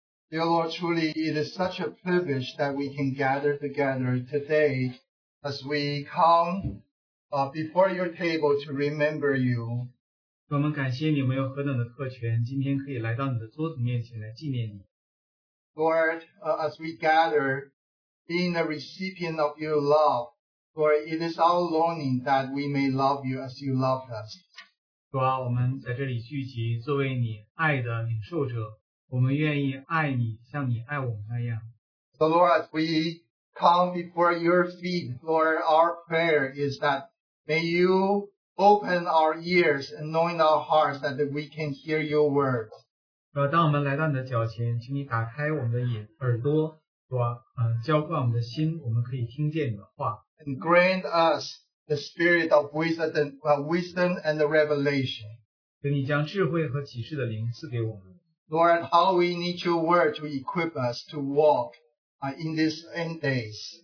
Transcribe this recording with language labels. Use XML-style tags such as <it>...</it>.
<en>Dear Lord, truly, it is such a privilege that we can gather together today as we come before your table to remember you. Lord, as we gather, being a recipient of your love, Lord, it is our longing that we may love you as you love us.</en> <zh>主啊,我们在这里聚集,作为你爱的领受者, 我们愿意爱你,像你爱我们那样。</zh> <en>So Lord, as we come before your feet, Lord, our prayer is that may you open our ears and anoint our hearts that we can hear your words.</en> <zh>主啊,当我们来到你的脚前, 请你打开我们的眼,耳朵, 主啊,浇灌我们的心, 我们可以听见你的话。</zh> <en>And grant us the spirit of wisdom and the revelation.</en> <zh>给你将智慧和启示的灵赐给我们。</zh> <en>Lord, how we need your word to equip us to walk in these end days.</en>